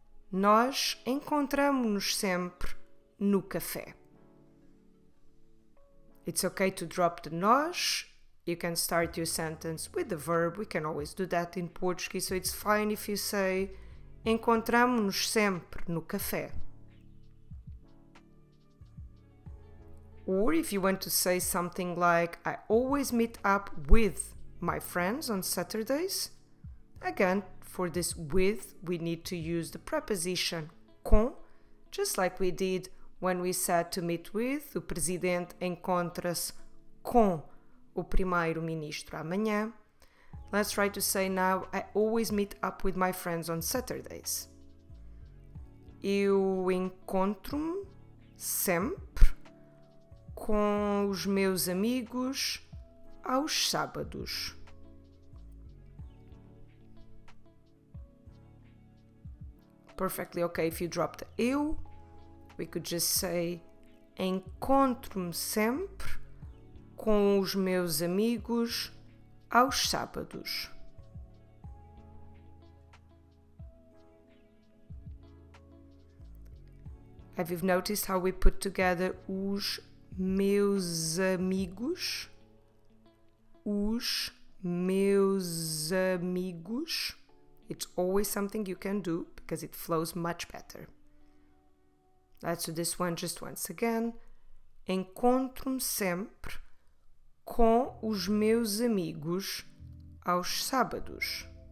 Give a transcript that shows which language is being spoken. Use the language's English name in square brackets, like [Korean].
[Portuguese] Nós encontramo-nos sempre no café. [English] It's okay to drop the nós You can start your sentence with the verb. We can always do that in Portuguese. So it's fine if you say, [Portuguese] encontramo-nos sempre no café. [English] Or if you want to say something like, I always meet up with my friends on Saturdays. Again, for this with, we need to use the preposition com, just like we did when we said to meet with, [Portuguese] o presidente encontra-se com o primeiro-ministro amanhã. [English] Let's try to say now, I always meet up with my friends on Saturdays. [Portuguese] Eu encontro-me sempre com os meus amigos aos sábados. [English] Perfectly okay if you drop the eu. We could just say, [Portuguese] encontro-me sempre com os meus amigos aos sábados. [English] Have you noticed how we put together [Portuguese] os meus amigos? Os meus amigos. [English] It's always something you can do because it flows much better. Let's do this one just once again. [Portuguese] Encontro-me sempre com os meus amigos aos sábados.